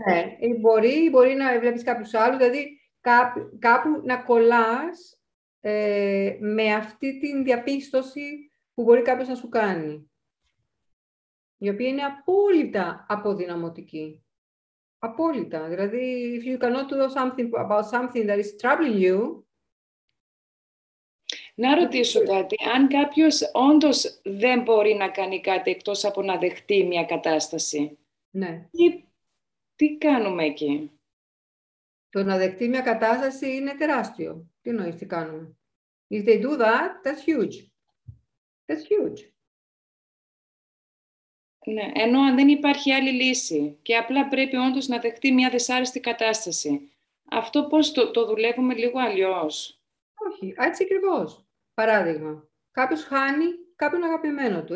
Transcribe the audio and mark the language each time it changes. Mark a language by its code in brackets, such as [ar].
[el] Ναι, μπορεί να βλέπεις κάποιους άλλους. Δηλαδή κάπου να κολλάς με αυτή την διαπίστωση που μπορεί κάποιος να σου κάνει. Η οποία είναι απόλυτα αποδυναμωτική. Απόλυτα. [en] Δηλαδή, if you cannot do something about something that is troubling you. [el] Να ρωτήσω κάτι. Αν κάποιος όντως δεν μπορεί να κάνει κάτι εκτός από να δεχτεί μια κατάσταση. Ναι. Τι κάνουμε εκεί. Το να δεχτεί μια κατάσταση είναι τεράστιο. Τι νοείς, τι κάνουμε. [en] If they do that, that's huge. That's huge. [el] Ναι, ενώ αν δεν υπάρχει άλλη λύση και απλά πρέπει όντως να δεχτεί μια δυσάρεστη κατάσταση. Αυτό πώς το δουλεύουμε λίγο αλλιώς. Όχι, έτσι ακριβώς. Παράδειγμα, κάποιος χάνει κάποιον αγαπημένο του.